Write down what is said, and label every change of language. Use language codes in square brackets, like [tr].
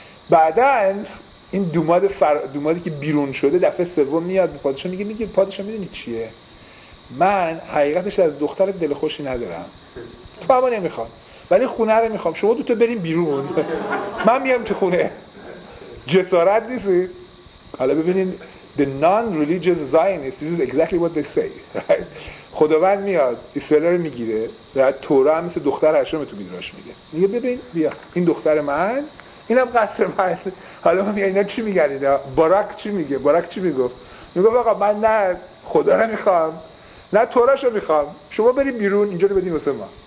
[fa] بعدن این دومادی که بیرون شده دفعه سوم میاد به پادشاه میگه، میگه پادشاه میدونی چیه، من حقیقتش از دخترت دلخوشی ندارم، تو اما نمیخوام ولی خونه رو میخوام، شما دوتا بریم بیرون من میام تو خونه. جسارت نیست. حالا ببینین [en] the non-religious Zionists, this is exactly what they say. [fa] خداوند میاد اسرائیل رو میگیره و تورا هم مثل دختر هشم تو میدراش میگه، میگه ببین بیا این دختر من، اینم قصر من. حالا ما میگه اینا چی میگن، اینا باراک چی میگه، باراک چی میگفت، میگه آقا من نه خدا رو میخوام نه توراش رو میخوام، شما بریم بیرون اینجا رو بدیم واسه ما.